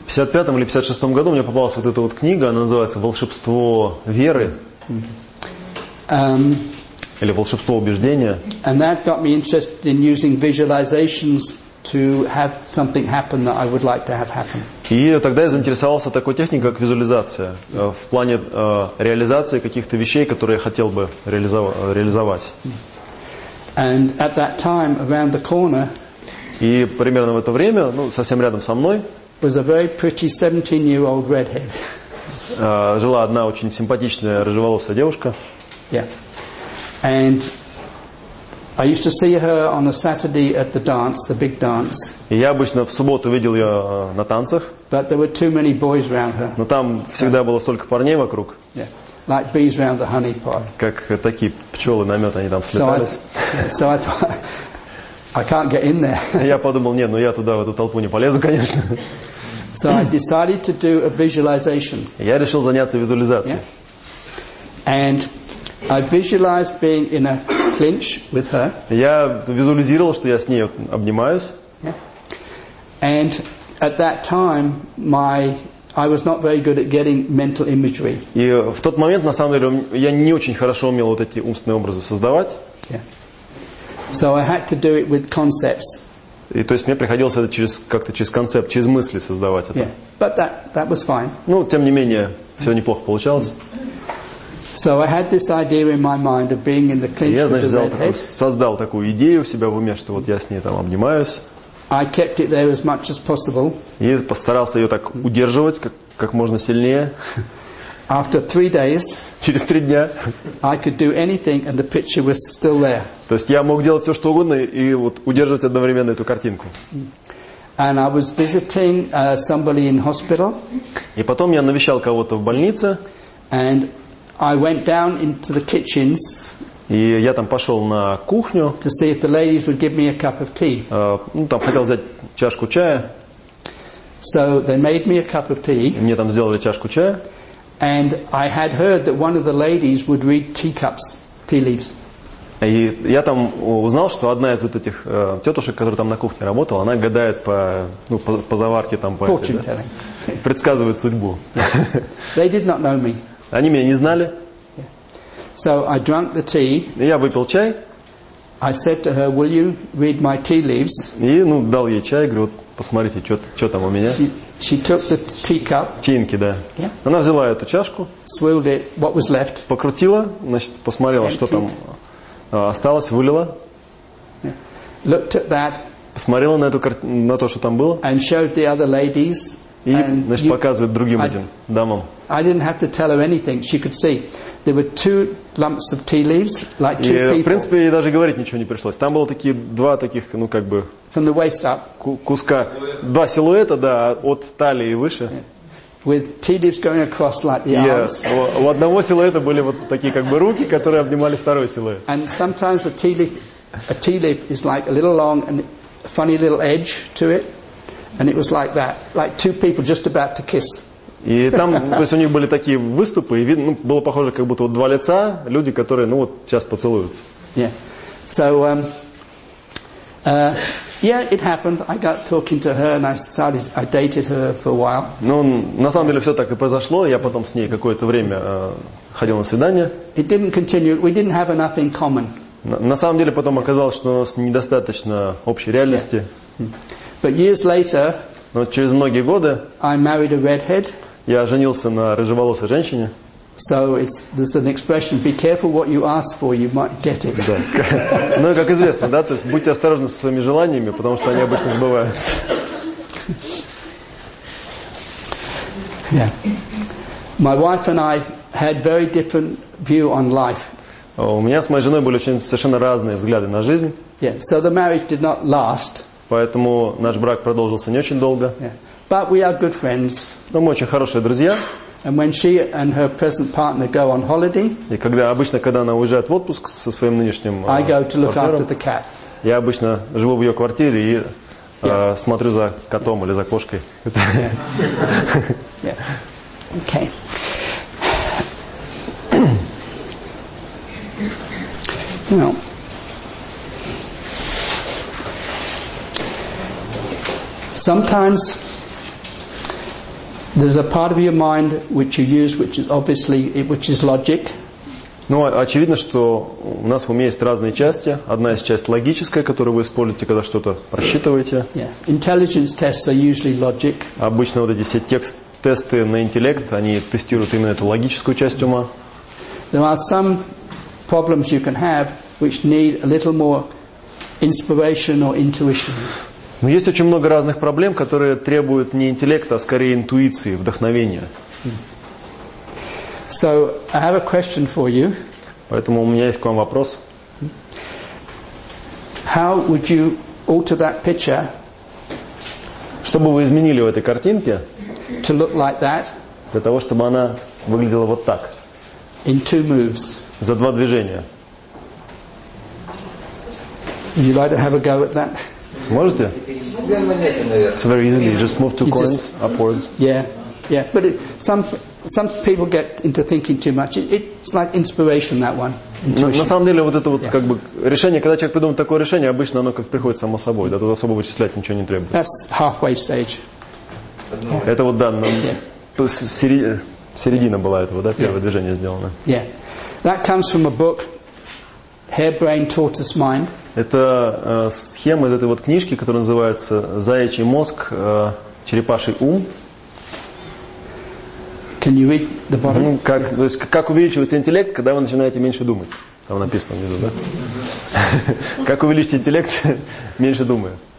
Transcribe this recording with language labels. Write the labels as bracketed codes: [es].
[ru] В 55-м или 56-м году мне попалась вот эта вот книга, она называется «Волшебство веры». Или «Волшебство убеждения». [en] And that got me interested in using visualizations to have something happen that I would like to have happen. [ru] И тогда я заинтересовался такой техникой, как визуализация, в плане реализации каких-то вещей, которые я хотел бы реализовать. [en] And at that time, around the corner, [ru] и примерно в это время, ну, совсем рядом со мной, [en] was a very pretty 17-year-old redhead. [ru] Жила одна очень симпатичная рыжеволосая девушка. [en] Yeah. And I used to see her on a Saturday at the dance, the big dance. [ru] И я обычно в субботу видел ее на танцах. [en] But there were too many boys around her. [ru] Но там всегда было столько парней вокруг. [en] Yeah. Like bees around the honey pot. [ru] Как такие пчелы на мед, они там слетались. [en] So I thought, I can't get in there. [ru] Я подумал, нет, ну я туда, в эту толпу не полезу, конечно. [en] So I decided to do a visualization. [ru] Я решил заняться визуализацией. [en] And I visualized being in a clinch with her. [ru] Я визуализировал, что я с ней обнимаюсь. [en] And at that time, I was not very good at getting mental imagery. [ru] И в тот момент, на самом деле, я не очень хорошо умел вот эти умственные образы создавать. [en] So I had to do it with concepts. [ru] И то есть мне приходилось это через концепт, через мысли создавать это. [en] But that was fine. [ru] Ну, тем не менее, все неплохо получалось. [en] So I had this idea in my mind of being in the clinch. [ru] Я, значит, создал такую идею у себя в уме, что вот я с ней там обнимаюсь. [en] I kept it there as much as possible. [ru] И постарался ее так удерживать как можно сильнее. [en] After 3 days. [ru] Через 3 дня. [en] I could do anything, and the picture was still there. [ru] То есть я мог делать все что угодно и вот удерживать одновременно эту картинку. [en] And I was visiting somebody in hospital. [ru] И потом я навещал кого-то в больнице. [en] And I went down into the kitchens. [ru] И я там пошел на кухню. [en] To see if the ladies would give me a cup of tea. [ru] Там хотел взять чашку чая. [en] So they made me a cup of tea. [ru] И мне там сделали чашку чая. [en] And I had heard that one of the ladies would read teacups, tea leaves. [ru] И я там узнал, что одна из вот этих тетушек, которая там на кухне работала, она гадает по заварке там. [en] Fortune telling. [ru] Предсказывает судьбу. [en] They did not know me. [ru] Они меня не знали. [en] So I drank the tea. [ru] Я выпил чай. [en] I said to her, "Will you read my tea leaves?" [ru] И, ну, дал ей чай, говорю, вот, посмотрите, что там у меня. [en] She took the teacup. [ru] Тинки, да. [en] Yeah. [ru] Она взяла эту чашку. [en] Swirled it. What was left? [ru] Покрутила, значит, посмотрела, что там осталось, вылила. [en] Yeah. Looked at that. [ru] Посмотрела на то, что там было. [en] And showed the other ladies. [ru] И, значит, показывает другим этим дамам. [en] I didn't have to tell her anything. She could see. There were two lumps of tea leaves, like two people. [ru] И, в принципе, ей даже говорить ничего не пришлось. Там было такие два таких, ну, как бы... [en] From the waist up. [ru] Куска. Два силуэта, да, от талии выше. [en] With tea leaves going across like the arms. Yes. [ru] У одного силуэта были вот такие, как бы, руки, которые обнимали второй силуэт. [en] And sometimes a tea leaf is like a little long and a funny little edge to it. And it was like that, like two people just about to kiss. [ru] И там, то есть у них были такие выступы, и видно, ну, было похоже, как будто вот два лица, люди, которые, ну вот, сейчас поцелуются. [en] Yeah. So, it happened. I got talking to her, and I dated her for a while. [ru] Ну, на самом деле, все так и произошло. Я потом с ней какое-то время ходил на свидание. [en] It didn't continue. We didn't have enough in common. [ru] На самом деле, потом оказалось, что у нас недостаточно общей реальности. [en] Yeah. But years later, [ru] но через многие годы, [en] I married a redhead. [ru] Я женился на рыжеволосой женщине. [en] So there's an expression: be careful what you ask for, you might get it. [ru] Да. Ну и как известно, да, то есть будьте осторожны со своими желаниями, потому что они обычно сбываются. [en] Yeah. My wife and I had very different view on life. [ru] У меня с моей женой были совершенно разные взгляды на жизнь. [en] Yeah. So the marriage did not last. [ru] Поэтому наш брак продолжился не очень долго. [en] Yeah. But we are good friends. [ru] Но мы очень хорошие друзья. [en] And when she and her present partner go on holiday, [ru] и когда она уезжает в отпуск со своим нынешним [en] I go to look after the cat. [ru] Я обычно живу в ее квартире и смотрю за котом или за кошкой. [en] Okay. Well. Sometimes there's a part of your mind which you use, which is logic. [ru] Ну, очевидно, что у нас в уме есть разные части. Одна из частей логическая, которую вы используете, когда что-то рассчитываете. [en] Yeah. Intelligence tests are usually logic. [ru] Обычно вот эти все тесты на интеллект, они тестируют именно эту логическую часть ума. [en] There are some problems you can have which need a little more inspiration or intuition. [ru] Но есть очень много разных проблем, которые требуют не интеллекта, а скорее интуиции, вдохновения. [en] So, I have a question for you. [ru] Поэтому у меня есть к вам вопрос. [en] How would you alter that picture? [ru] Что бы вы изменили в этой картинке? [en] To look like that. [ru] Для того, чтобы она выглядела вот так. [en] In two moves. [ru] За два движения. [en] Would you like to have a go at that? [ru] Можете? [en] It's very easy. You just move two coins upwards. Yeah. But some people get into thinking too much. It's like inspiration, that one. [ru] На самом деле, вот это вот как бы решение, когда человек придумает такое решение, обычно оно как приходит само собой, да, тут особо вычислять ничего не требуется. [en] That's halfway stage. [ru] Это вот, да, середина была этого, да, первое движение сделано. [en] Yeah. That comes from a book, Harebrained Tortoise Mind. [ru] Это схема из этой вот книжки, которая называется «Заячий мозг, черепаший ум». [en] Can you read the bottom? [ru] То есть, как увеличивается интеллект, когда вы начинаете меньше думать? Там написано внизу, да? Как увеличить интеллект, меньше думая?